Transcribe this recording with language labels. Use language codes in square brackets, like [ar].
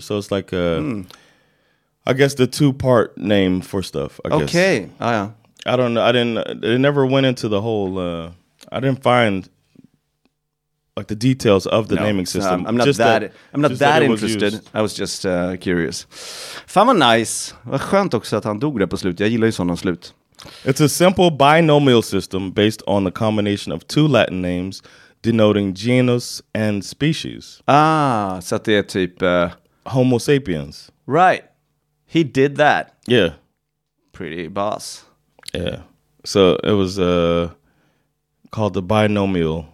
[en] So it's like I guess the two part name for stuff. Okay. Ah, yeah. I don't know. It never went into the whole. I didn't find like the details of the naming system. I'm not that interested. I was just curious. [sv] Fan vad nice. Vad skönt också att han dog där på slut. Jag gillar ju sådana slut. [en] It's a simple binomial system based on the combination of two Latin names denoting genus and species. [sv] Ah, så det är typ... [en] Homo sapiens. Right. He did that. Yeah. Pretty boss. Yeah. So it was called the binomial.